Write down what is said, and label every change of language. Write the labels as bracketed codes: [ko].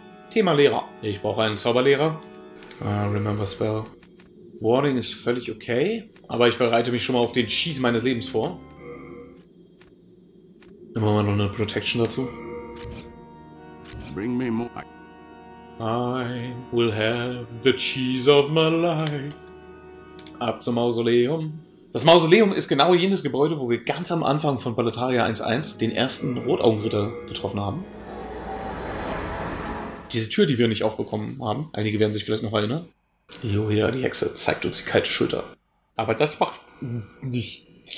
[de] Thema Lehrer. Ich brauche einen Zauberlehrer. Remember Spell. Warning ist völlig okay. Aber ich bereite mich schon mal auf den Schieß meines Lebens vor. Nehmen wir mal noch eine Protection dazu. [en] Bring me more. I will have the cheese of my life. [de] Ab zum Mausoleum. Das Mausoleum ist genau jenes Gebäude, wo wir ganz am Anfang von Boletaria 1.1 den ersten Rotaugenritter getroffen haben. Diese Tür, die wir nicht aufbekommen haben. Einige werden sich vielleicht noch erinnern. Joja, die Hexe zeigt uns die kalte Schulter. Aber das macht nicht.